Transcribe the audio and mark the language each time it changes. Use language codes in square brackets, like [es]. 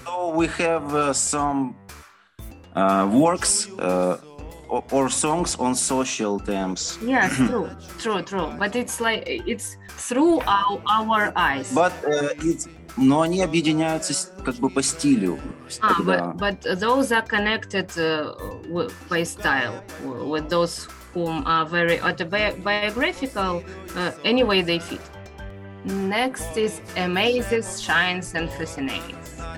[en] So we have some works or songs on social themes. Yes, true. But it's like it's through our eyes. But it's. [ru] Но они объединяются как бы по стилю. [en] But those are connected by style with those whom are very autobiographical. Anyway, they fit. Next is Amazes, Shines and Fascinates.